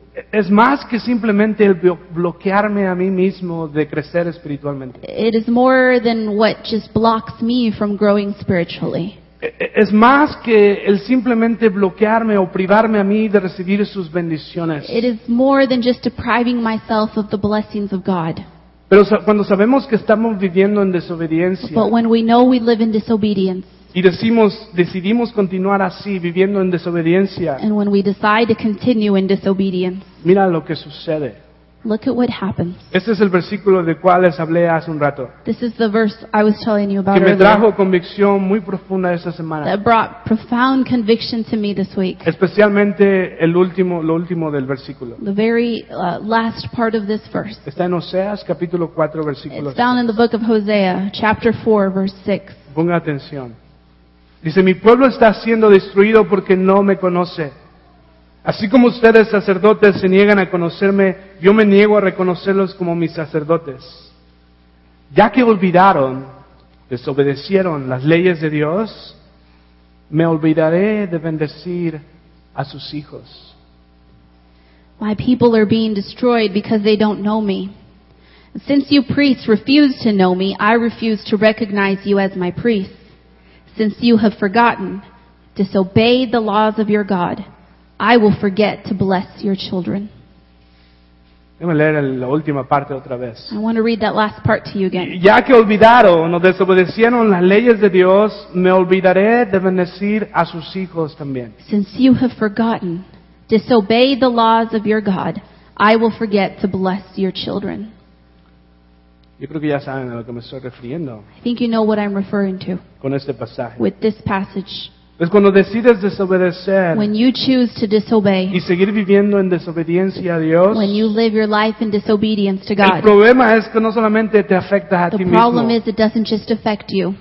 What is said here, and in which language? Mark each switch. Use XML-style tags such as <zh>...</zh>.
<es>Es más que simplemente el bloquearme a mí mismo de crecer espiritualmente.</es> <en>It is more than what just blocks me from growing spiritually.</en> <es>Es más que el simplemente bloquearme o privarme a mí de recibir sus bendiciones.</es> <en>It is more than just depriving myself of the blessings of God.</en> <es>Pero cuando sabemos que estamos viviendo en desobediencia,</es> <en>but when we know we live in disobedience,</en> <es>y decidimos continuar así, viviendo en desobediencia,</es> <en>and when we decide to continue in disobedience,</en> <es>mira lo que sucede.</es> <en>Look at what happens.</en> <es>Este es el versículo del cual les hablé hace un rato.</es> <en>This is the verse I was telling you about</en> <es>que me</es> <en>earlier,</en> <es>trajo convicción muy profunda esta semana.</es> <en>That brought profound conviction to me this week.</en> <es>Especialmente lo último del versículo.</es> <en>The very last part of this verse.</en> <es>Está en Oseas capítulo 4 versículo 6.</es> <en>It's found in the book of Hosea chapter 4 verse 6.</en> <es>Ponga atención. Dice, mi pueblo está siendo destruido porque no me conoce. Así como ustedes, sacerdotes, se niegan a conocerme, yo me niego a reconocerlos como mis sacerdotes. Ya que olvidaron, desobedecieron las leyes de Dios, me olvidaré de bendecir a sus hijos.</es> <en>My people are being destroyed because they don't know me. Since you priests refuse to know me, I refuse to recognize you as my priests. Since you have forgotten, disobeyed the laws of your God, I will forget to bless your children.</en> <es>Déjame leer la última parte otra vez.</es> <en>I want to read that last part to you again.</en> <es>Ya que olvidaron o desobedecieron las leyes de Dios, me olvidaré de bendecir a sus hijos también.</es> <en>Since you have forgotten, disobeyed the laws of your God, I will forget to bless your children.</en> <es>Yo creo que ya saben a lo que me estoy refiriendo.</es> <en>I think you know what I'm referring to.</en> <es>Con este pasaje.</es> <en>With this passage.</en> <es>Pues cuando decides desobedecer,</es> <en>when you choose to disobey,</en> <es>y seguir viviendo en desobediencia a Dios,</es> <en>when you live your life in disobedience to God,</en> <es>el problema es que no solamente te afecta a ti mismo,</es> <en>the problem is it doesn't just affect you,</en>